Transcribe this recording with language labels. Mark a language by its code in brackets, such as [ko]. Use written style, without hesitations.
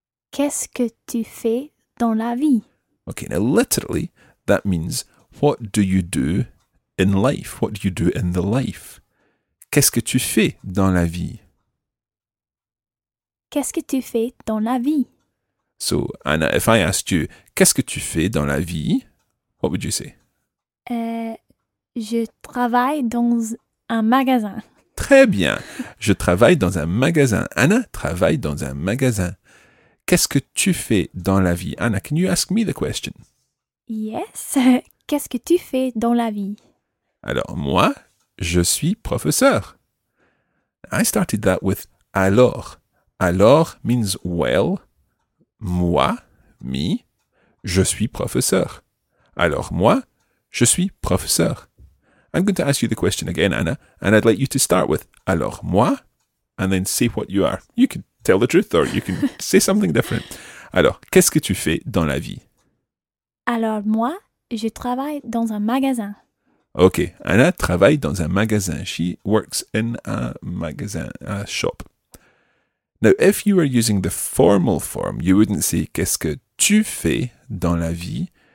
[fr] Qu'est-ce que tu fais dans la vie? [en] Okay, now literally, that means, what do you do in life? What do you do in the life? [fr] Qu'est-ce que tu fais dans la vie? Qu'est-ce que tu fais dans la vie? [en] So, Anna, if I asked you, [fr] qu'est-ce que tu fais dans la vie? [en] What would you say? [fr] Je travaille dans un magasin. Très bien. Je travaille dans un magasin. Anna travaille dans un magasin. Qu'est-ce que tu fais dans la vie? [en] Anna, can you ask me the question? Yes. [fr] Qu'est-ce que tu fais dans la vie? Alors, moi, je suis professeur. [en] I started that with alors. Alors means well. [fr] Moi, me, je suis professeur. Alors, moi, je suis professeur. [en] I'm going to ask you the question again, Anna, and I'd like you to start with alors, moi, and then say what you are. You can tell the truth, or you can say something different. [fr] Alors, qu'est-ce que tu fais dans la vie? Alors, moi, je travaille dans un magasin. Okay, Anna travaille dans un magasin. [en] She works in a magasin, a shop. Now, if you were using the formal form, you wouldn't say, [fr] qu'est-ce que tu fais dans la vie?